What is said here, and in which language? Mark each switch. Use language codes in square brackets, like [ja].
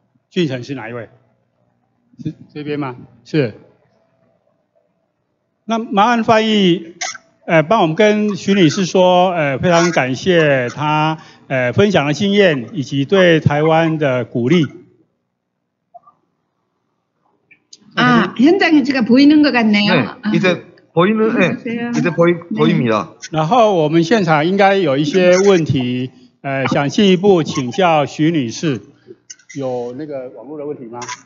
[zh] 俊成是哪一位？是这边吗？是。那麻烦翻译，帮我们跟徐女士说，非常感谢她，分享的经验以及对台湾的鼓励。 [ko] 아현장에제가보이는것같네요 네이제보이는네이제보입니다 [zh] 然后我们现场应该有一些问题，想进一步请教徐女士，有那个网络的问题吗？